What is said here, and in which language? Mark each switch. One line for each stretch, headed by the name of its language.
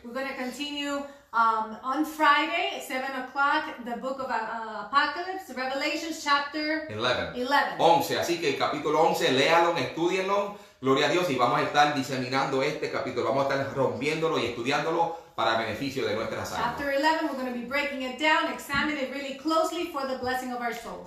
English: We're going to continue on Friday at 7 o'clock, the book of Apocalypse, Revelation chapter 11.
Spanish: Así que el capítulo 11, léalo, estudienlo, gloria a Dios, y vamos a estar diseminando este capítulo, vamos a estar rompiéndolo y estudiándolo para beneficio de nuestras almas.
English: Chapter 11, we're going to be breaking it down, examine it really closely for the blessing of our souls.